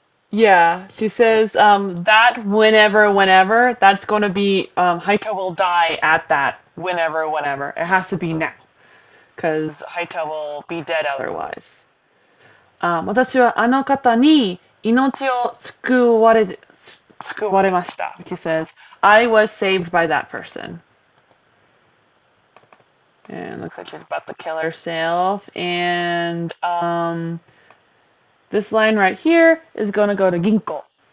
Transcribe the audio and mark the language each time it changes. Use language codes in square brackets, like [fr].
[en] Yeah, she says that whenever, whenever, that's going to be, Haito will die at that whenever, whenever. It has to be now, because Haito will be dead otherwise. [ja] 私はあの方に命を救われました. [en] She says, I was saved by that person. And looks like she's about to kill herself. And this line right here is going to go to ginkgo.